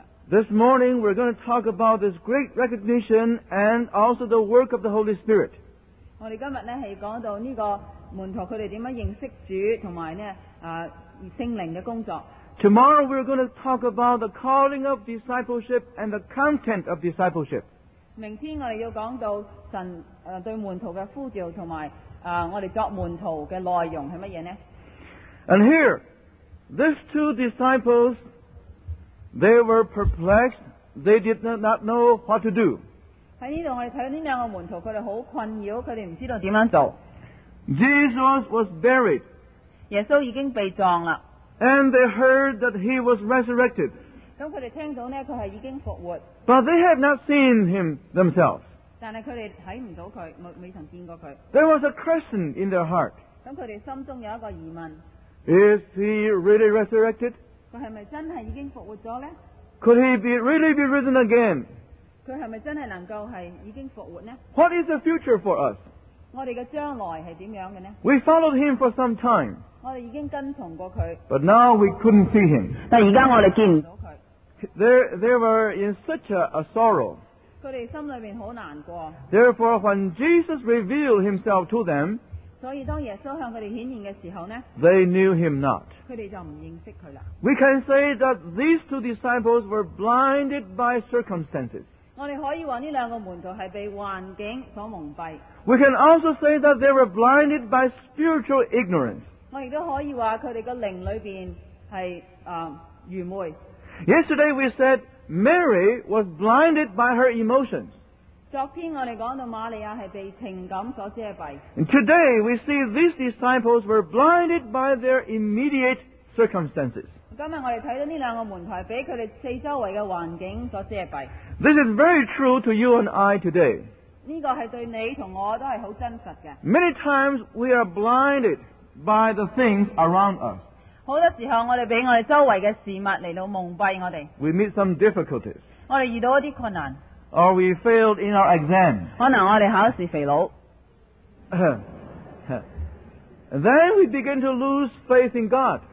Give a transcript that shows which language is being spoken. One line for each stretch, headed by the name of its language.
English: This morning we're going to talk about this great recognition and also the work of the Holy Spirit.
Chinese: 我們今天是講到這個門徒他們怎樣認識主和聖靈的工作.
English: Tomorrow we're going to talk about the calling of discipleship and the content of discipleship.
Chinese: 明天我們要講到神對門徒的呼召和我們作門徒的內容是什麼呢?
English: And here, these two disciples, they were perplexed They did not know what to do.
Chinese: 在这里我们看到这两个门徒，他们很困扰，他们不知道怎么做。
English: Jesus was buried.
Chinese: 耶稣已经被葬了。
English: And they heard that he was resurrected.
Chinese: 他们听到他是已经复活。
English: But they had not seen him themselves.
Chinese: 但是他们看不到他，未曾见过他。
English: There was a question in their heart.
Chinese: 他们心中有一个疑问。
English: Is he really resurrected?
Chinese: 他是不是真的已经复活了呢？
English: Could he really be risen again?
Chinese: 他是不是真的能够是已经复活呢？
English: What is the future for us?
Chinese: 我们的将来是怎样的呢？
English: We followed him for some time.
Chinese: 我们已经跟从过他。
English: But now we couldn't see him.
Chinese: 但现在我们见不到他。
English: They were in such a sorrow.
Chinese: 他们心里面很难过。
English: Therefore, when Jesus revealed himself to them,
Chinese: 所以当耶稣向他们显现的时候呢，
English: they knew him not.
Chinese: 他们就不认识他了。
English: We can say that these two disciples were blinded by circumstances.
Chinese: 我们可以说这两个门徒是被环境所蒙蔽。
English: We can also say that they were blinded by spiritual ignorance.
Chinese: 我们也可以说他们的灵里面是愚昧。
English: Yesterday we said Mary was blinded by her emotions.
Chinese: 昨天我们说到玛利亚是被情感所遮蔽。
English: And today we see these disciples were blinded by their immediate circumstances.
Chinese: 今天我们看到这两个门徒被他们四周围的环境所遮蔽。
English: This is very true to you and I today.
Chinese: 这个是对你和我都是很真实的。
English: Many times we are blinded by the things around us.
Chinese: 很多时候我们被我们周围的事物来到蒙蔽我们。
English: We meet some difficulties.
Chinese: 我们遇到一些困难。
English: Or we failed in our exam.
Chinese: 可能我们考试肥佬。
English: Then we begin to lose faith in God.